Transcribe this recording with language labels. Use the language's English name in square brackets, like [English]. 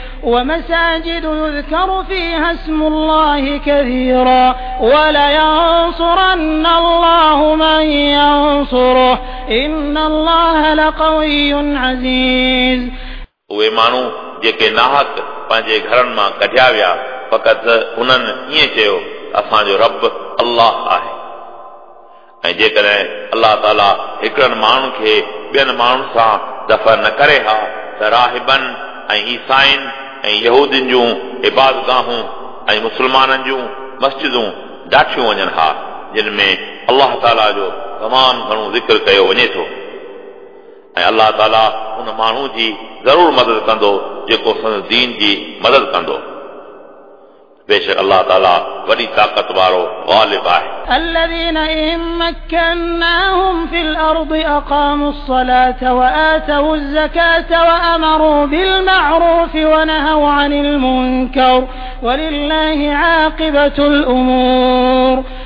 [Arabic] ومساجد يذكر فيها اسم الله كثيرا ولينصرن الله من ينصره ان الله لقوي عزيز [Sindhi] وي مانو جيڪي ناحق پنهنجي گھرن ما کڈيا ويا فقط انن ايئن چيو اسان جو رب اللہ آهي ۽ جيڪڏهن الله تعالى هڪڙن ماڻهن کي ٻين ماڻهن سان دفع نه ڪري ها ته راهبن ۽ عيسائين ۽ يهودين جون عبادتگاهون ۽ مسلمانن جون مسجدون ڏاٺيون وڃن ها جن ۾ الله تعالى جو تمام گھڻو ذڪر ڪيو وڃي ٿو ۽ الله تعالى ان ماڻهو جي ضرور مدد ڪندو جيڪو سندس دين جي مدد ڪندو بے شک اللہ تعالیٰ بڑی طاقت وارو غالب آہے [Arabic] الذين ان مكناهم في الارض اقاموا الصلاة واتوا الزكاة وامروا بالمعروف ونهوا عن المنكر ولله عاقبة الامور